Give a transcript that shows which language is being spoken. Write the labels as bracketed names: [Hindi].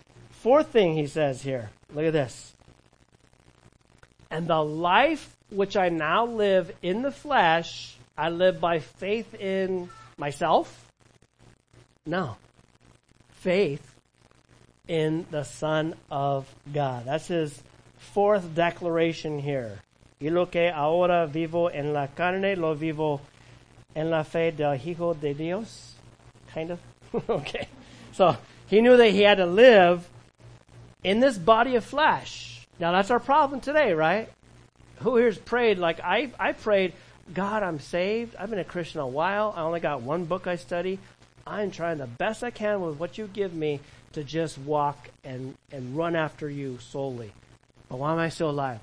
[English] Fourth thing he says here. Look at this. And the life which I now live in the flesh, I live by faith in myself? No. Faith in the Son of God. That's his fourth declaration here. [Spanish] Y lo que ahora vivo en la carne, lo vivo en la fe del Hijo de Dios. [English] Kind of. Okay. So, he knew that he had to live in this body of flesh. Now, that's our problem today, right? Who here's prayed? Like, I prayed, God, I'm saved. I've been a Christian a while. I only got one book I study. I'm trying the best I can with what you give me to just walk and run after you solely. But why am I still alive?